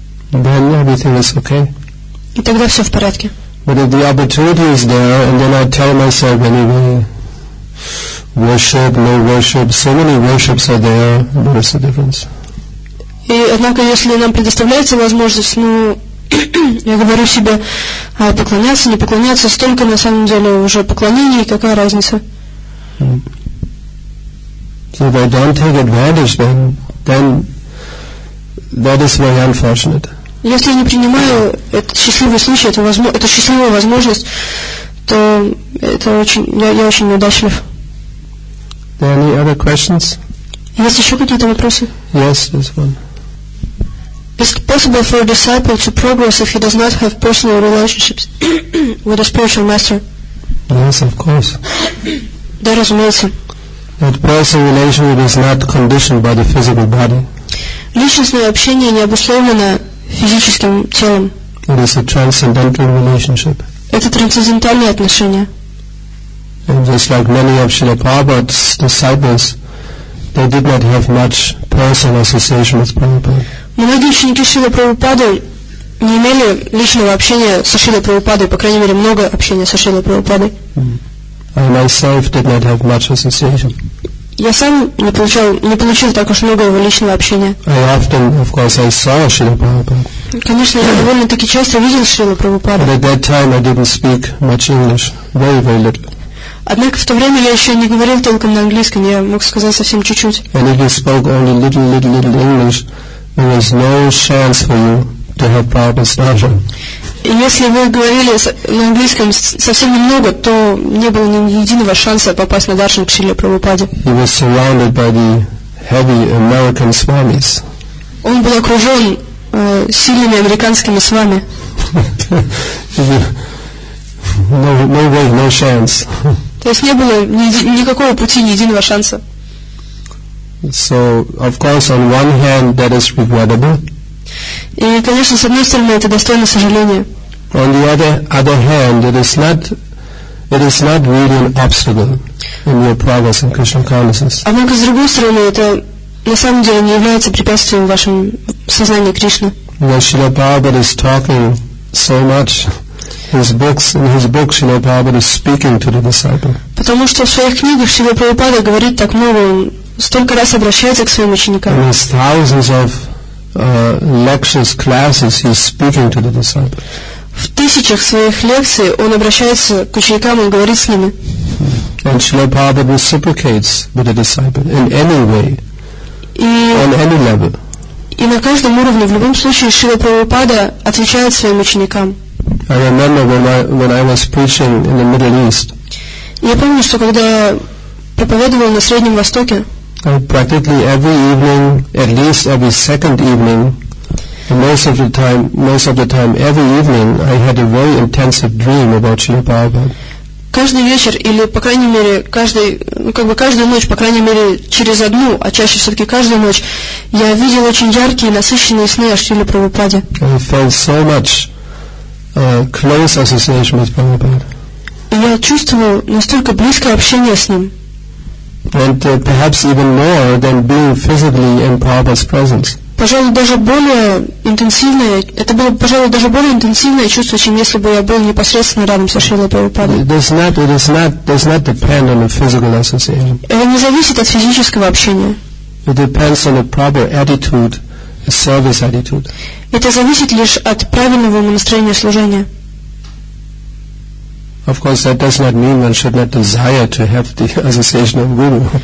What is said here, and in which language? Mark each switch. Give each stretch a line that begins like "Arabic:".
English: Then everything is okay.
Russian: И тогда все в порядке.
English: But if the opportunity is there, and then I tell myself anyway, worship, no worship, so many worships are there, what is the difference?
Russian: И однако, если нам предоставляется возможность, ну, я говорю себе, а поклоняться, не поклоняться, столько на самом деле уже поклонений, какая разница?
English: So if I don't take advantage, then that is very unfortunate.
Russian: Если я не принимаю этот счастливый случай, эту счастливую возможность, то это очень, я очень неудачлив.
English: There any other questions?
Russian: Есть еще какие-то вопросы?
English: Yes, there's one. Is it possible for a disciple to progress if he does not have personal relationships with a spiritual master? Yes, of course.
Russian: Да, разумеется.
English: That personal relationship is not conditioned by the physical body.
Russian: Личностное общение не обусловлено физическим телом.
English: It is a transcendental relationship.
Russian: Это трансцендентальные отношения.
English: And just like many of Srila Prabhupada's disciples, they did not have much personal association with Prabhupada.
Russian: Многие ученики Шрилы Прабхупады не имели личного общения со Шрилой Прабхупадой, по крайней мере, много общения со Шрилой Прабхупадой.
English: I myself did not have much association.
Russian: Я сам не получил так уж много его личного общения.
English: I often, of course, I saw Шрилу Прабхупаду.
Russian: Конечно, я довольно-таки часто видел Шрилу Прабхупаду.
English: But at that time I didn't speak much English, very, very little.
Russian: Однако в то время я еще не говорил толком на английском, я мог сказать совсем чуть-чуть.
English: And if you spoke only little English, there was no chance for you to have Prabhupada's darshan.
Russian: И если вы говорили на английском совсем немного, то не было ни единого шанса попасть на даршан к Шриле Прабхупаде.
English: He was surrounded by the heavy American swamis.
Russian: Он был окружен сильными американскими свами.
English: No way, no chance.
Russian: То есть не было никакого пути, ни единого шанса.
English: So, of course, on one hand, that is regrettable.
Russian: И, конечно, с одной стороны, это достойно сожаления.
English: On the other hand, it is not really an obstacle in your progress in Krishna consciousness.
Russian: Однако, с другой стороны, это на самом деле не является препятствием в вашем сознании Кришны.
English: When Srila Prabhupada is talking so much, in his books, Srila Prabhupada is speaking to the disciple.
Russian: Потому что в своих книгах Шрила Прабхупада говорит так много, он столько раз обращается к своим ученикам.
English: In his thousands of lectures, classes, he is speaking to the disciple.
Russian: В тысячах своих лекций он обращается к ученикам, он говорит с ними.
English: And Srila Prabhupada reciprocates with the disciple in any way, on any level.
Russian: И на каждом уровне, в любом случае, Шрила Прабхупада отвечает своим ученикам.
English: I remember when I was preaching in the Middle East.
Russian: Я помню, что когда я проповедовал на Среднем Востоке,
English: practically every evening, at least every second evening, most of the time, every evening, I had a very intensive dream about Srila Prabhupada.
Russian: Каждый вечер, или по крайней мере каждую ночь, по крайней мере через одну, а чаще все-таки каждую ночь, я видел очень яркие, насыщенные сны о Шриле Прабхупаде.
English: I felt so much close association with Prabhupada.
Russian: Я чувствовал настолько близкое общение с ним.
English: And perhaps even more than being physically in Prabhupada's presence.
Russian: Пожалуй, даже более интенсивное, это было, пожалуй, даже более интенсивное чувство, чем если бы я был непосредственно рядом со Шрилой Прабхупадой.
English: It does not depend on a physical association.
Russian: Это не зависит от физического общения.
English: It depends on a proper attitude, a service attitude.
Russian: Это зависит лишь от правильного настроения служения.
English: Of course, that does not mean one should not desire to have the association of guru.